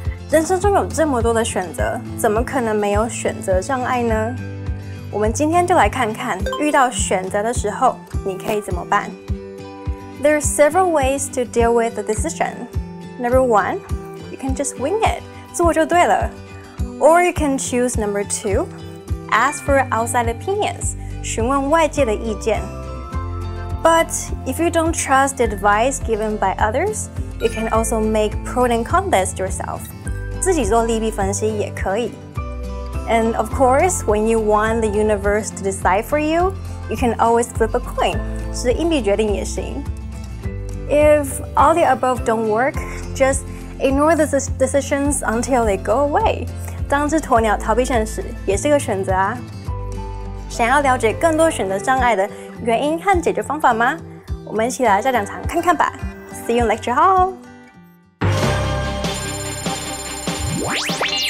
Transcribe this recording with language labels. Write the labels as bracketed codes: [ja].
[zh] 人生中有这么多的选择，怎么可能没有选择障碍呢？我们今天就来看看，遇到选择的时候，你可以怎么办？ [en] There are several ways to deal with the decision. Number one, you can just wing it, [zh] 做就对了。 [en] Or you can choose number two, ask for outside opinions, [zh] 询问外界的意见。 [en] But if you don't trust the advice given by others, you can also make pros and cons list yourself. [zh] 自己做利弊分析也可以。 [en] And of course, when you want the universe to decide for you, you can always flip a coin, [zh] 是硬币决定也行。 [en] If all the above don't work, just ignore the decisions until they go away. [zh] 当只鸵鸟逃避现实也是个选择啊。想要了解更多选择障碍的原因和解决方法吗？我们一起来下讲堂看看吧。 [en] See you in lecture hall! We'll be right back.